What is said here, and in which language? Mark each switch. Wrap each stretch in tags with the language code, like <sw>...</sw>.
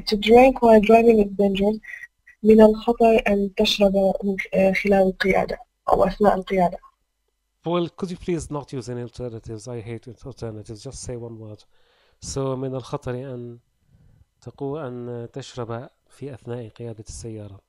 <en>To drink while driving is dangerous.</en> <ar>من الخطر أن تشرب خلال القيادة أو أثناء القيادة.</ar> <en>Well, could you please not use any alternatives? I hate alternatives. Just say one word.</en> <ar>So من الخطر أن تقو أن تشرب في أثناء قيادة السيارة.</ar>